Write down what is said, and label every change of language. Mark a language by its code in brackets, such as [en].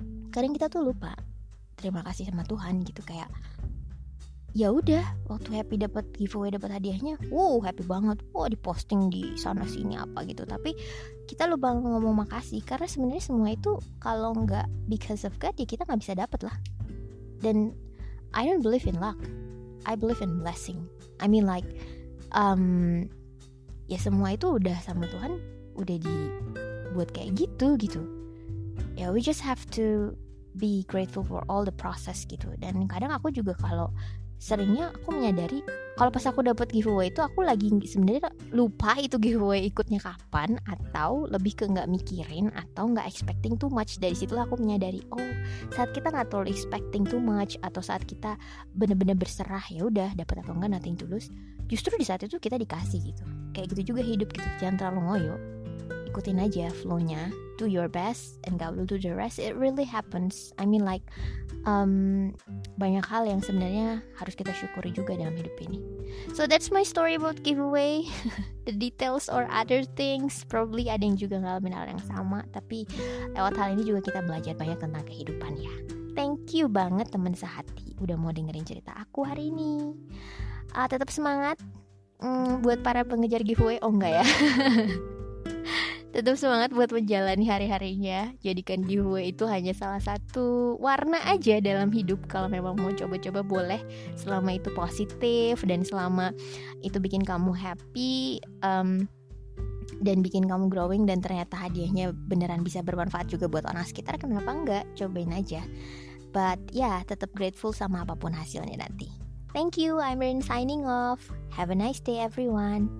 [id] Kadang kita tuh lupa terima kasih sama Tuhan gitu. Kayak ya udah waktu Happy dapat giveaway, dapat hadiahnya, wow happy banget, wow diposting di sana sini apa gitu, tapi kita lupa ngomong makasih, karena sebenarnya semua itu kalau nggak [en] because of God [id] ya kita nggak bisa dapat lah. [en] Dan I don't believe in luck, I believe in blessing. I mean like [id] ya semua itu udah sama Tuhan udah dibuat kayak gitu gitu. [en] Ya we just have to be grateful for all the process gitu. [id] Dan kadang aku juga kalau seringnya aku menyadari kalau pas aku dapat giveaway itu aku lagi sebenarnya lupa itu giveaway ikutnya kapan, atau lebih ke nggak mikirin atau nggak [en] expecting too much. [id] Dari situlah aku menyadari, oh saat kita nggak terlalu [en] expecting too much [id] atau saat kita benar-benar berserah, ya udah dapat atau enggak [en] nothing to lose, [id] justru di saat itu kita dikasih gitu. Kayak gitu juga hidup gitu, jangan terlalu ngoyo, ikutin aja flow-nya, [en] do your best and God will do the rest. It really happens. I mean like [id] banyak hal yang sebenarnya harus kita syukuri juga dalam hidup ini. [en] So that's my story about giveaway. The details or other things, probably [id] ada yang juga ngalamin hal yang sama, tapi lewat hal ini juga kita belajar banyak tentang kehidupan ya. [en] Thank you [id] banget teman sehati udah mau dengerin cerita aku hari ini. Tetap semangat buat para pengejar giveaway. Oh enggak ya. Tetap semangat buat menjalani hari-harinya. Jadikan giveaway itu hanya salah satu warna aja dalam hidup. Kalau memang mau coba-coba boleh, selama itu positif dan selama itu bikin kamu happy dan bikin kamu growing, dan ternyata hadiahnya beneran bisa bermanfaat juga buat orang sekitar, kenapa enggak, cobain aja. [en] But yeah, [id] tetap grateful sama apapun hasilnya nanti. [en] Thank you, I'm Rin signing off. Have a nice day everyone.